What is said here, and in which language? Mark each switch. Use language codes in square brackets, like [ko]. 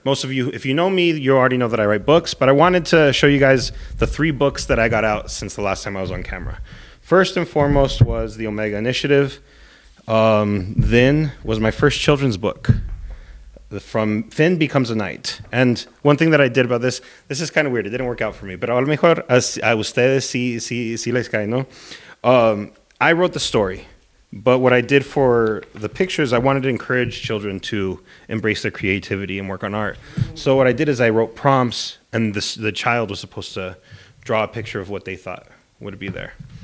[en] Most of you, if you know me, you already know that I write books, but I wanted to show you guys the three books that I got out since the last time I was on camera. First and foremost was The Omega Initiative. Then was my first children's book, From Finn Becomes a Knight. And one thing that I did about this is kind of weird. It didn't work out for me. [es] Pero a lo mejor a ustedes sí les cae, ¿no? [en] I wrote the story. But what I did for the pictures, I wanted to encourage children to embrace their creativity and work on art. So what I did is I wrote prompts, and the child was supposed to draw a picture of what they thought would be there.